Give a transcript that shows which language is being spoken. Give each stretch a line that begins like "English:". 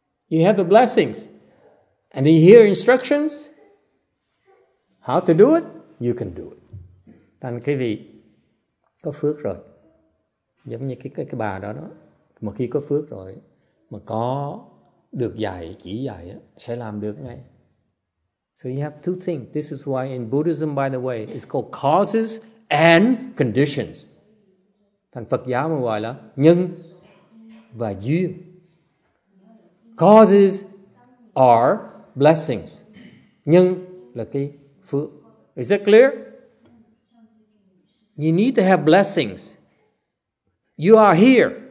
English: You have the blessings. And then you hear instructions. How to do it? You can do it.
Vietnamese: Thành quý vị có phước rồi. Giống như cái bà đó đó. Mà khi có phước rồi, mà có được dạy, chỉ dạy, sẽ làm được ngay.
English: So you have two things. This is why in Buddhism, by the way, it's called causes and conditions.
Vietnamese: Thành Phật giáo mà gọi là nhân và duyên.
English: Causes are blessings.
Vietnamese: Nhân là cái phước.
English: Is that clear? You need to have blessings. You are here.